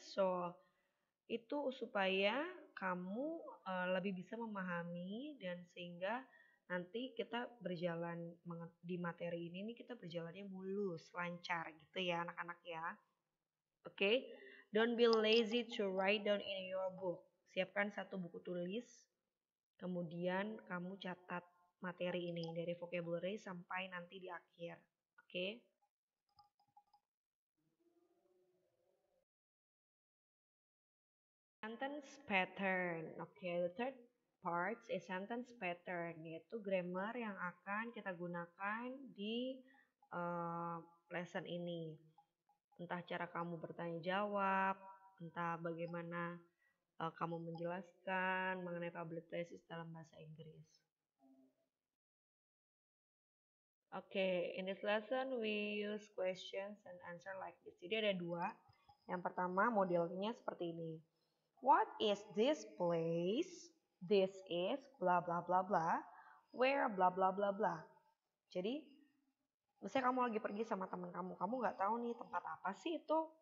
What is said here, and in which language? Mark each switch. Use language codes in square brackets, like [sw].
[id] So, itu supaya kamu lebih bisa memahami dan sehingga nanti kita berjalan di materi ini kita berjalannya mulus, lancar gitu ya anak-anak ya. Oke. [en] Don't be lazy to write down in your book. [id] Siapkan satu buku tulis, kemudian kamu catat materi ini dari vocabulary sampai nanti di akhir. Oke? [en] Okay? Sentence pattern. Oke, okay, the third part is sentence pattern, [id] yaitu grammar yang akan kita gunakan di lesson ini. Entah cara kamu bertanya jawab, entah bagaimana kamu menjelaskan mengenai public places dalam bahasa Inggris. [en] Okay, in this lesson we use questions and answer like this. [id] Jadi ada dua. Yang pertama modelnya seperti ini. [en] What is this place? This is blah blah blah blah. Where blah blah blah blah. [id] Jadi misalnya kamu lagi pergi sama teman kamu, kamu nggak tahu nih tempat apa sih itu.